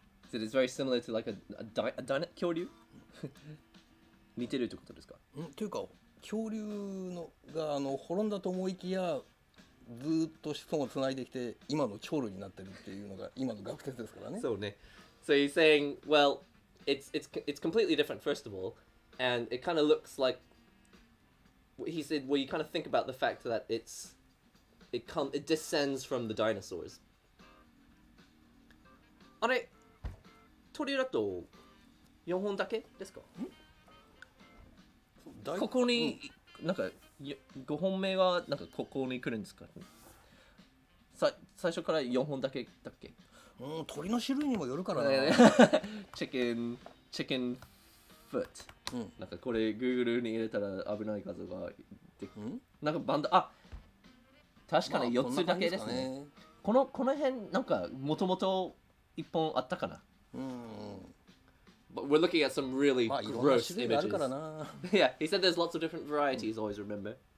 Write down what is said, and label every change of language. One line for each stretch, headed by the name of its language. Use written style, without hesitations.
English: So it's very similar to like a 恐竜？
Japanese: 似てるってことですか？ん？というか恐竜のがあの滅んだと思いきや。ずっと子孫をつないできて今の鳥類になってるっていうのが今の学説ですからね。そうね。
English: So he's saying, well, it's completely different first of all, and it kind of looks like he said, well, you kind of think about the fact that it descends from the dinosaurs.
Japanese: あれ、鳥だと四本だけですか？ここに、うん、なんか。5本目はなんかここに来るんですか？最初から4本だけだっけ？うん、鳥の種類にもよるからな。チキンフット、うん、なんかこれ Google に入れたら危ない画像が出る、うん、なんかバンド、あ、確かに4つだけですね。まあ、この辺なんかもともと1本あったかな。
English: But we're looking at some really gross images. Yeah, he said there's lots of different varieties, always remember.